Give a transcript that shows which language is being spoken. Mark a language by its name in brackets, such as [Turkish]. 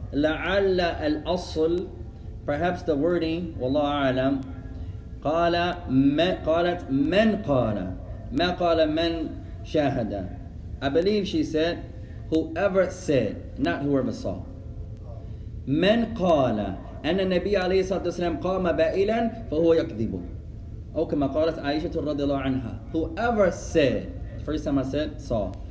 [Arabic] La'alla al-asl, [English] perhaps the wording, [Arabic] wallahu a'lam, قالت من قال ما قال من شاهد. [English] I believe she said, whoever said, not whoever saw. [Arabic] من قال أن النبي عليه الصلاة والسلام قام بائلا فهو يكذب. أو كما قالت عائشة رضي الله عنها, [English] whoever said, first time I said, saw.